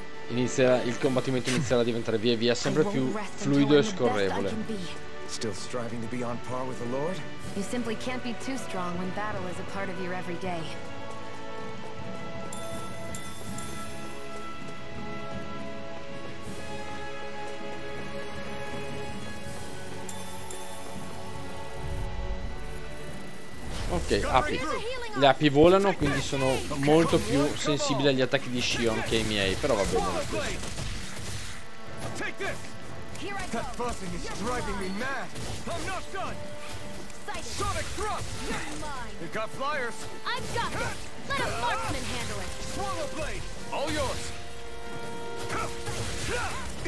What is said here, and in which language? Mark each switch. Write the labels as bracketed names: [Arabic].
[Italian] Inizia, il combattimento inizierà a diventare via via sempre più fluido e scorrevole. [English] Still striving to be on par with the Lord? You simply can't be too strong when battle is a part of your every day. [Italian] Ok, api. Le api volano, quindi sono molto più sensibili agli attacchi di Shion che i miei, però va bene. [English] Take this! That buzzing is driving me mad! I'm not done! Sonic Thrust! You're mine! You got flyers! I've got this! Let a marksman handle it! Swallow Blade! All yours!